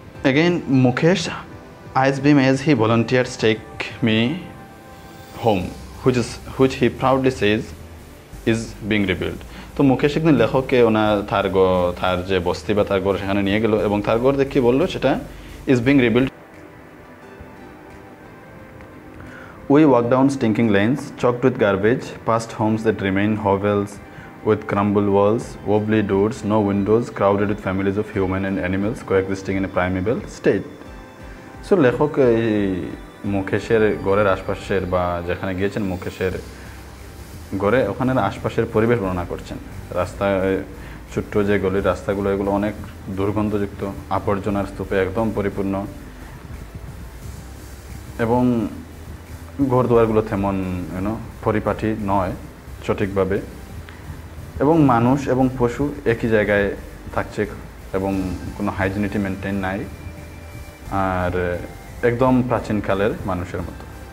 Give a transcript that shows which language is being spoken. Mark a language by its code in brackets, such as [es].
[en] Again Mukesh, eyes beam as he volunteers take me home which he proudly says is being rebuild. [bn] তো মুকেশ একদিন লেখককে ওনার তার যে বস্তি বা তার ঘর সেখানে নিয়ে গেল এবং তার ঘর দেখিয়ে বললো সেটা [en] Is being rebuild. We walked down stinking lanes, choked with garbage, past homes that remain hovels with crumbled walls, wobbly doors, no windows, crowded with families of human and animals coexisting in a primeval state. [bn] So, লেখক এই মুকেশের ঘরের আশপাশের বা যেখানে গিয়েছেন মুকেশের ঘরে ওখানের আশপাশের পরিবেশ বর্ণনা করছেন। রাস্তায় ছোট্ট যে গলির রাস্তাগুলো এগুলো অনেক দুর্গন্ধযুক্ত, আবর্জনার স্তূপে একদম পরিপূর্ণ, এবং ঘরদুয়ারগুলো তেমন ইউনো পরিপাটি নয় সঠিকভাবে, এবং মানুষ এবং পশু একই জায়গায় থাকছে এবং কোনো হাইজিনিটি মেনটেন নাই, আর একদম প্রাচীনকালের মানুষের মতো।